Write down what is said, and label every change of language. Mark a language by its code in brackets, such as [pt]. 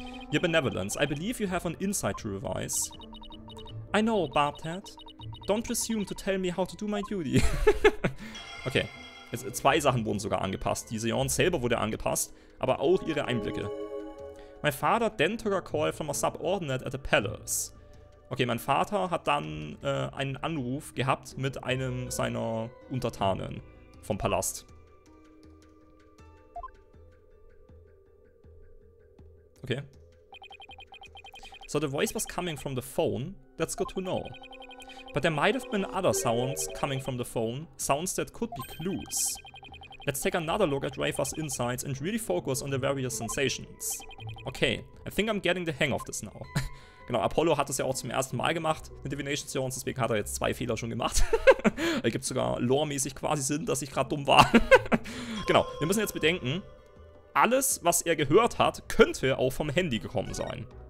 [en] Your benevolence, I believe you have an insight to revise. I know, Barbhead. Don't presume to tell me how to do my duty. [de] Okay. Zwei Sachen wurden sogar angepasst. Die Seance selber wurde angepasst, aber auch ihre Einblicke. [en] My father then took a call from a subordinate at the palace. [de] Okay, mein Vater hat dann einen Anruf gehabt mit einem seiner Untertanen vom Palast. [en] Okay. So the voice was coming from the phone. That's good to know. But there might have been other sounds coming from the phone, sounds that could be clues. Let's take another look at Rafer's insights and really focus on the various sensations. Okay, I think I'm getting the hang of this now. [de] Genau, Apollo hat das ja auch zum ersten Mal gemacht, eine Divination Seance, deswegen hat er jetzt zwei Fehler schon gemacht. Da gibt es sogar lore-mäßig quasi Sinn, dass ich gerade dumm war. Genau, wir müssen jetzt bedenken, alles, was er gehört hat, könnte auch vom Handy gekommen sein.